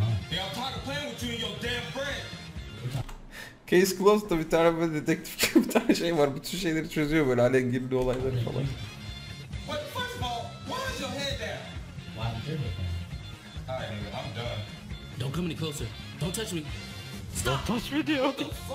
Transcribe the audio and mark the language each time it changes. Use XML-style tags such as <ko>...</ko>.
<en>Hey, I'm tired of playing with you and your damn friend.</en> <tr>Case closed'da bir tane böyle detektif gibi bir tane şey var. Bütün şeyleri çözüyor böyle alengirli olayları falan.</tr> <en>But first of all, why is your head there? Why is I'm done. Don't come any closer. Don't touch me. Stop. Don't touch me, dude. What the fuck?</en>